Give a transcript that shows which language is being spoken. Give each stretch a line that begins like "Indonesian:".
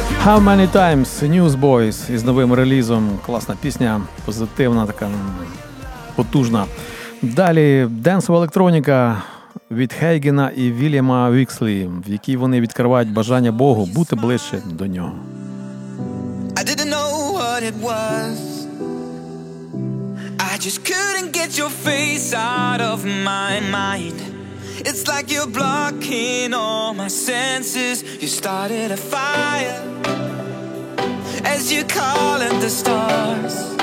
Ukrainian: How many times, Newsboys із новим релізом. Класна пісня, позитивна, така потужна. Далі денсова електроніка від Хейгена і Вільяма Вікслі, в якій вони відкривають бажання Богу бути ближче до нього.
English: I didn't know what it was. I just couldn't get your face out of my mind. It's like you're blocking all my senses. You started a fire as you call at the stars.